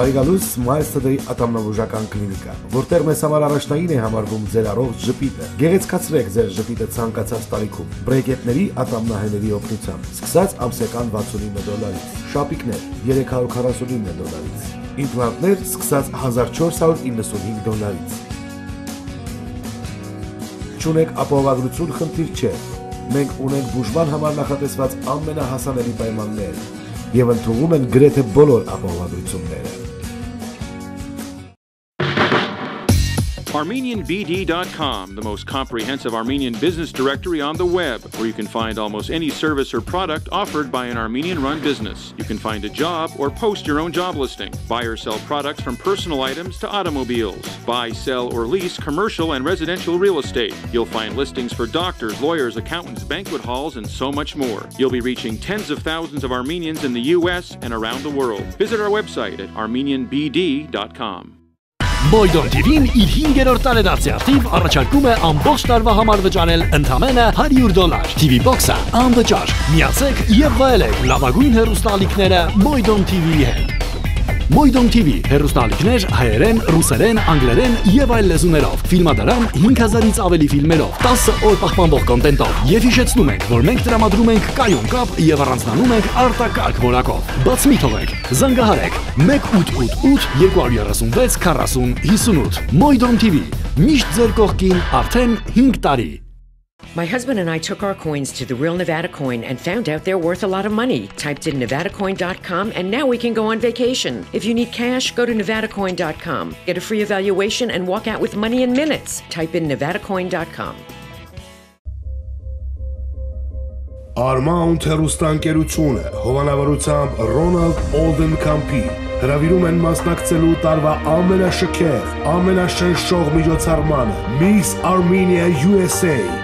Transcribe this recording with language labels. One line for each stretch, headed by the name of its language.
Armenian: Բարի գալուստ Smile Today ատամնաբուժական կլինիկա, որտեղ մեզ համար առաջնային է համարվում ձեր առողջ ժպիտը։ Գեղեցկացրեք ձեր ժպիտը ցանկացած տարիքում բրեկետների ատամնահելերի օգնությամբ, սկսած ամսական $69, շապիկներ $349, իմպլանտներ սկսած $1495. Չունեք ապահովագրություն, խնդիր չէ, մենք ունենք բուժման համար նախատեսված ամենահասանելի պայմաններ և ընդունում են գրեթե բոլոր ապահովագրությունները։
English: ArmenianBD.com, the most comprehensive Armenian business directory on the web, where you can find almost any service or product offered by an Armenian-run business. You can find a job or post your own job listing. Buy or sell products from personal items to automobiles. Buy, sell, or lease commercial and residential real estate. You'll find listings for doctors, lawyers, accountants, banquet halls, and so much more. You'll be reaching tens of thousands of Armenians in the U.S. and around the world. Visit our website at ArmenianBD.com.
Armenian: Boydor TV-ն իր 5-րդ տարեդարձի արդիվ առաջարկում է ամբողջ տարվա համար վճարել ընդամենը $100. TV Box-ը անվճար։ Միացեք և վայելեք լավագույն հեռուստալիքները Boydor TV-ի հետ։ Boydor TV, հեռուստալիքներ հայերեն, ռուսերեն, անգլերեն և այլ լեզուներով, ֆիլմադարան 5000-ից ավելի ֆիլմերով, 10 օր պահպանող կոնտենտով։ Եվ հիշեցնում ենք, որ մենք տրամադրում ենք կայուն կապ և առանձնանում ենք արտակարգ որակով։ Բաց մի թողեք, զանգահարեք 1-888-236-4058։ Boydor TV, միշտ ձեր կողքին արդեն 5 տարի։
English: My husband and I took our coins to the Real Nevada Coin and found out they're worth a lot of money. Typed in NevadaCoin.com and now we can go on vacation. If you need cash, go to NevadaCoin.com. Get a free evaluation and walk out with money in minutes. Type in NevadaCoin.com.
Armenian: Armount հեռուստաընկերությունը հովանավորությամբ Ronald Olden Campi հրավիրում են մասնակցելու տարվա ամենաշքեղ, ամենաշնչող միջոցառմանը Miss Armenia USA.